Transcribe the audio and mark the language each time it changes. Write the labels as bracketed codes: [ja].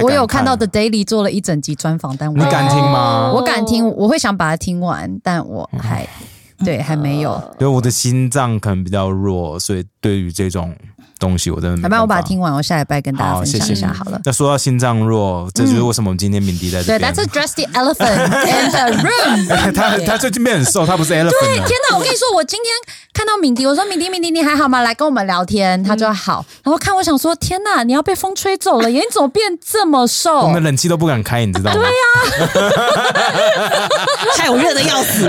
[zh] 看。我有看到 The Daily 做了一整集专访，但我你敢听吗？我敢听，我会想把它听完，但我还、嗯、对还没有。对，我的心脏可能比较弱，所以对于这种。东西我真的没办法，我把它听完，我下礼拜跟大家分享一下好了。那说到心脏弱，这就是为什么我们今天敏迪在这边。 [en] 对 ，That's address the elephant in the room [zh] 他。他最近变很瘦，他不是 elephant。对，天哪！我跟你说，我今天看到敏迪，我说敏迪，敏迪，你还好吗？来跟我们聊天。他就好，然后看我想说，天哪，你要被风吹走了耶！你怎么变这么瘦？我们冷气都不敢开，你知道吗？对呀、啊，还有热的要死。